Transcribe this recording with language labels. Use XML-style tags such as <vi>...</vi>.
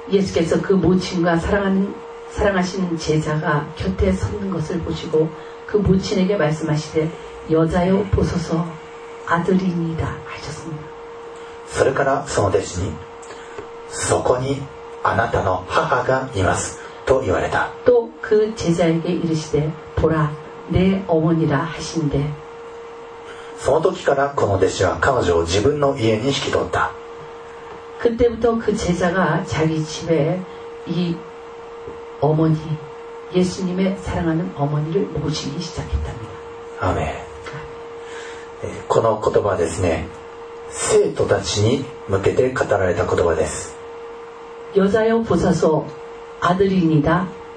<ko>イエス께서그모친과사랑하시는제자가곁에서는것을보시고그모친에게말씀하시되여자여보소서아들이니다하셨습니다</ko> <ja>それからその弟子にそこにあなたの母がいますと言われた</ja> <ko>또그제자에게이르시되보라내어머니라하신대</ko> <ja>その時からこの弟子は彼女を自分の家に引き取った</ja> <ko>그때부터그제자가자기집에이어머니예수님의사랑하는어머니를모시기시작했답니다 아멘</ko> <ja>この言葉はですね生徒たちに向けて語られた言葉です</ja> <ko>여자여보소서아들입니다</ko>